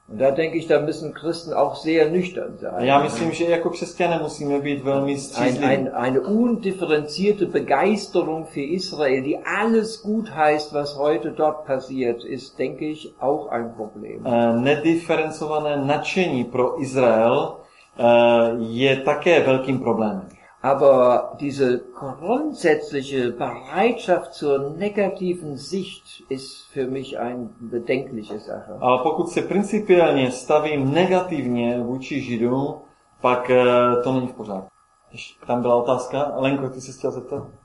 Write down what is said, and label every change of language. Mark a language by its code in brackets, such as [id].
[de] Da denke ich, da müssen Christen auch sehr nüchtern sein. [cs] Já myslím, že jako křesťané musíme být velmi střízlivý. [de] Eine undifferenzierte Begeisterung für Israel, die alles gut heißt, was heute dort passiert, ist, denke ich, auch ein Problem. [cs] Nediferencované nadšení pro Izrael je také velkým problémem. [de] Aber diese grundsätzliche Bereitschaft zur negativen Sicht ist für mich eine bedenkliche Sache. [cs] Ale pokud se principiálně stavím negativně vůči Židům, pak to není v pořádku. Tam byla otázka. Lenko, ty jsi chtěla zeptat?